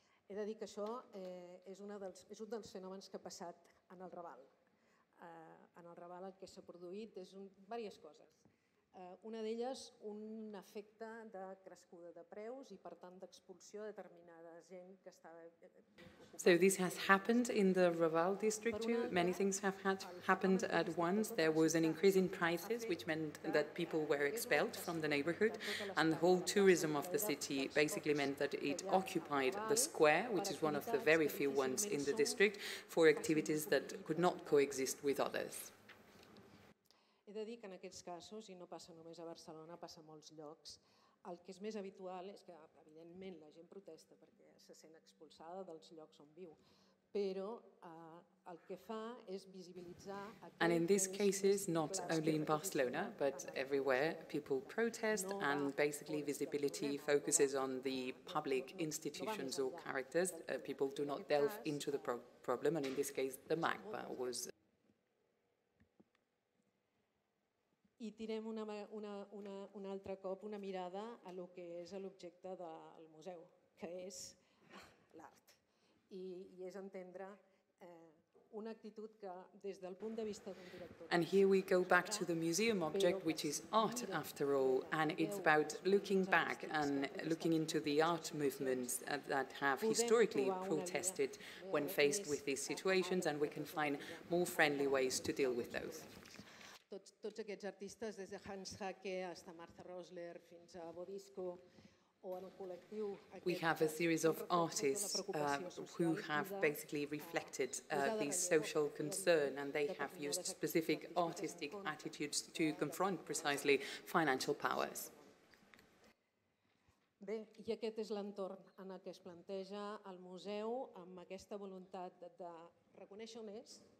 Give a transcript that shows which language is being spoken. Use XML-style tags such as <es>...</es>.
<ca>He de dir que això és un dels fenòmens que ha passat en el Raval. En el Raval el que s'ha produït és diverses coses. Una d'elles, un efecte de crescuda de preus i, per tant, d'expulsió de determinada gent que estava...</ca> <en>So this has happened in the Raval district too. Many things have happened at once. There was an increase in prices, which meant that people were expelled from the neighborhood, and the whole tourism of the city basically meant that it occupied the square, which is one of the very few ones in the district, for activities that could not coexist with others.</en> <ca>He de dir que en aquests casos, i no passa només a Barcelona, passa a molts llocs, el que és més habitual és que, evidentment, la gent protesta perquè se sent expulsada dels llocs on viu, però el que fa és visibilitzar...</ca> <en>And in these cases, not only in Barcelona, but everywhere, people protest and basically visibility focuses on the public institutions or characters. People do not delve into the problem, and in this case, the MACBA was...</en> <ca>I tirem una altre cop una mirada a lo que és l'objecte del museu, que és l'art. I és entendre una actitud que des del punt de vista d'un director...</ca> <en>And here we go back to the museum object, which is art after all, and it's about looking back and looking into the art movements that have historically protested when faced with these situations, and we can find more friendly ways to deal with those.</en> <ca>Tots aquests artistes, des de Hans Hacke fins a Martha Rosler, fins a Bodisco, o en el col·lectiu...</ca> <en>We have a series of artists who have basically reflected this social concern, and they have used specific artistic attitudes to confront precisely financial powers.</en> <ca>Bé, i aquest és l'entorn en el que es planteja el museu amb aquesta voluntat de reconèixer on és...</ca>